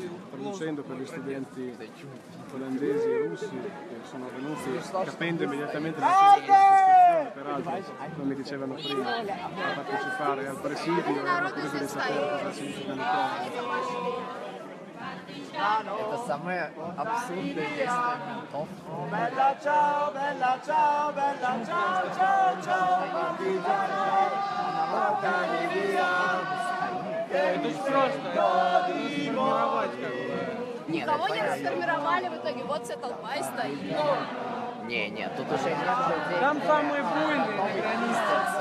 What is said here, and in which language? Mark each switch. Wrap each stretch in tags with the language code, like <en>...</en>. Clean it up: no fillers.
<it>Traducendo per gli studenti olandesi e russi che sono venuti capendo immediatamente la cosa, peraltro come dicevano prima, a partecipare al presidio erano curiosi di sapere cosa significa l'Italia.</it> <ru>Это самое абсурдное место.</ru> <it>Bella ciao, bella ciao, bella ciao, ciao, ciao, partigiano, portami via, che mi sprosto di morte.</it> <ru>Никого не расформировали в итоге, вот вся толпа и стоит. Не, тут уже не людей. Там самые буйные на границе.</ru>